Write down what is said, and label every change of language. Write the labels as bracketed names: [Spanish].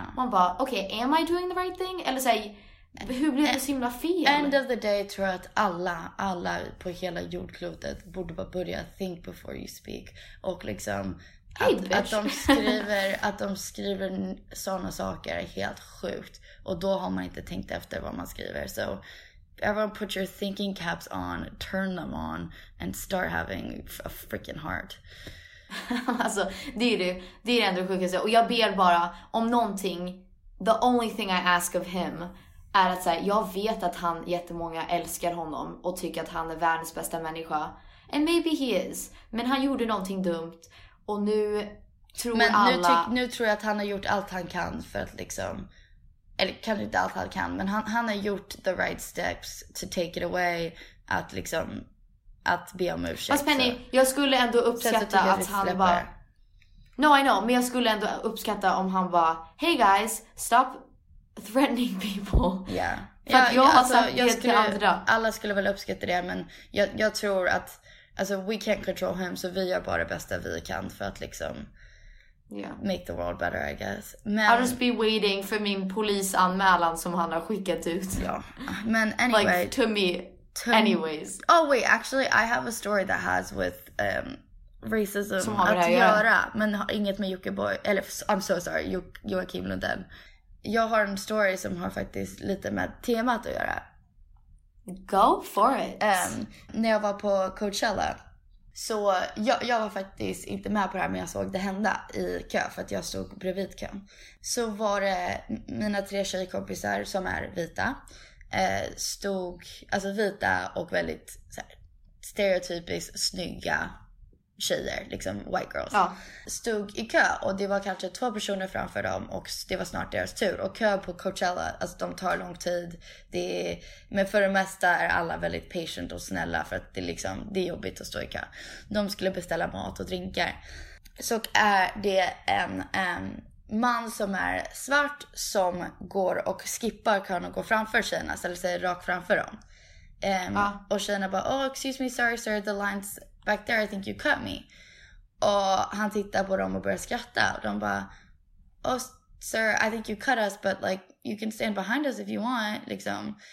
[Swedish] Man bara, okej, [English] am I doing the right thing? [Swedish] Eller säg, hur blev det så himla fel? [English] End of the day [Swedish] tror jag att alla på hela jordklotet borde bara börja [English] think before you speak. [Swedish] Och liksom, att de skriver såna saker är helt sjukt. Och då har man inte tänkt efter vad man skriver. [English] Så everyone put your thinking caps on, turn them on, and start having a freaking heart. [Swedish] Alltså, det är det enda sjukaste. Och jag ber bara om någonting. [English] The only thing I ask of him [Swedish] är att säga, jag vet att han jättemånga älskar honom och tycker att han är världens bästa människa. [English] And maybe he is. [Swedish] Men han gjorde någonting dumt. Och nu tror men alla... Nu tror jag att han har gjort allt han kan för att liksom... Eller kanske inte allt han kan, men han har gjort [English] the right steps to take it away, [Swedish] att liksom att be om ursäkt. Fast Penny, så. Jag skulle ändå uppskatta att han bara... [English] No, I know, [Swedish] men jag skulle ändå uppskatta om han bara, [English] hey guys, stop threatening people. Yeah. [Swedish] Jag skulle, alla skulle väl uppskatta det, men jag tror att, alltså, [English] we can't control him, [Swedish] så vi gör bara det bästa vi kan för att liksom... [English] Yeah. Make the world better, I guess. [Swedish] Men... [English] I'll just be waiting [Swedish] för min polisanmälan som han har skickat ut. Ja, men anyway. [English] Like, to me, anyways. Oh, wait, actually, I have a story that has with racism [Swedish] att göra. Men inget med Jockeboy. Eller, [English] I'm so sorry, [Swedish] Joakim Lundén. Jag har en story som har faktiskt lite med temat att göra. [English] Go for it. [Swedish] När jag var på Coachella... Så jag var faktiskt inte med på det här, men jag såg det hända i kö, för att jag stod bredvid kön. Så var det mina tre tjejkompisar som är vita, stod, alltså vita och väldigt så här, stereotypiskt snygga tjejer, liksom [English] white girls, [Swedish] ja. Stod i kö, och det var kanske två personer framför dem, och det var snart deras tur. Och kö på Coachella, alltså de tar lång tid, det är, men för det mesta är alla väldigt patient och snälla, för att det är, liksom, det är jobbigt att stå i kö. De skulle beställa mat och drinkar. Så är det en man som är svart som går och skippar kön och går framför tjejerna, ställer sig rakt framför dem. Och tjejerna bara, [English] oh, excuse me, sorry sir, the line's back there, I think you cut me. [Swedish] Och han tittar på dem och börjar skratta. Och de bara, [English] oh sir, I think you cut us, but like, you can stand behind us if you want, liksom.